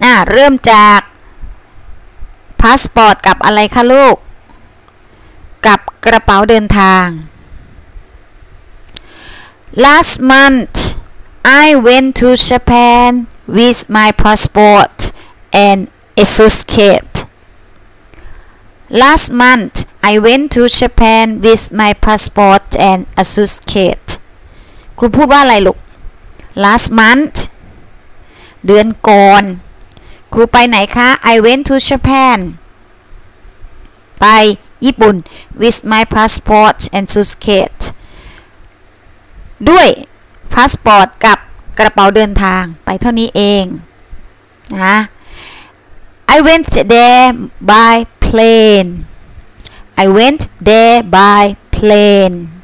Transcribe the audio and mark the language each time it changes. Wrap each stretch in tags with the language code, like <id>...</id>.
<th>เริ่มจาก passport กับอะไรคะลูกกับกระเป๋าเดินทาง</th> <en>last month I went to Japan with my passportAnd a suitcase. Last month, I went to Japan with my passport and a suitcase.</en> <th>คุณพูดว่าอะไรลูก</th> <en>Last month,</en> <th>เดือนก่อนครูไปไหนคะ</th> <en>I went to Japan.</en> <th>ไปญี่ปุ่น</th> <en>with my passport and suitcase.</en> <th>ด้วย passport กับกระเป๋าเดินทางไปเท่านี้เองนะ</th> <en>I went there by plane. I went there by plane.</en>